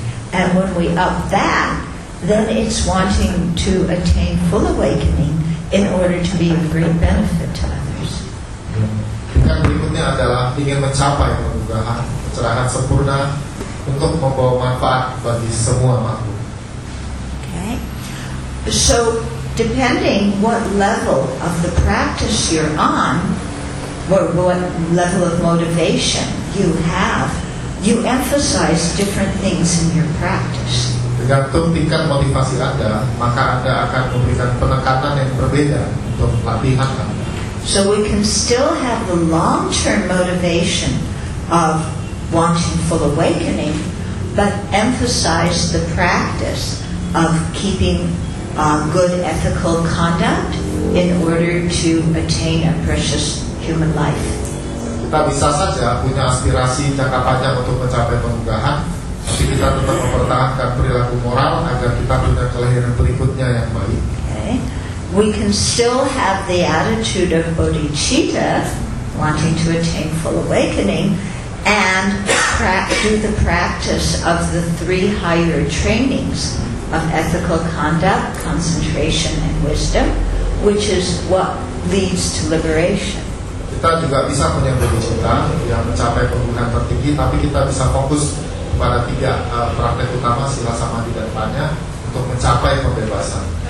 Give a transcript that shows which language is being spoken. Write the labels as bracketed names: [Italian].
[English] And when we up that, then it's wanting to attain full awakening in order to be of great benefit to others. [Indonesian] Tingkat berikutnya adalah ingin mencapai kemudahan, pencerahan sempurna untuk membawa manfaat bagi semua makhluk. [English] Okay. So, depending what level of the practice you're on, or what level of motivation you have, you emphasize different things in your practice. [Indonesian] Tergantung tingkat motivasi Anda, maka Anda akan memberikan penekanan yang berbeda untuk latihan Anda. [English] So we can still have the long-term motivation of wanting full awakening, but emphasize the practice of keeping good ethical conduct in order to attain a precious human life. [Indonesian] Kita bisa saja punya aspirasi jangka panjang untuk mencapai kemunggahan, tapi kita tetap mempertahankan perilaku moral agar kita punya kelahiran berikutnya yang baik. [English] Okay. We can still have the attitude of bodhicitta, wanting to attain full awakening, and do the practice of the three higher trainings of ethical conduct, concentration, and wisdom, which is what leads to liberation. [Indonesian] Kita juga bisa punya bodhicitta yang mencapai kemunggahan tertinggi, tapi kita bisa fokus kepada tiga praktek utama sila samadhi dan panya untuk mencapai kebebasan.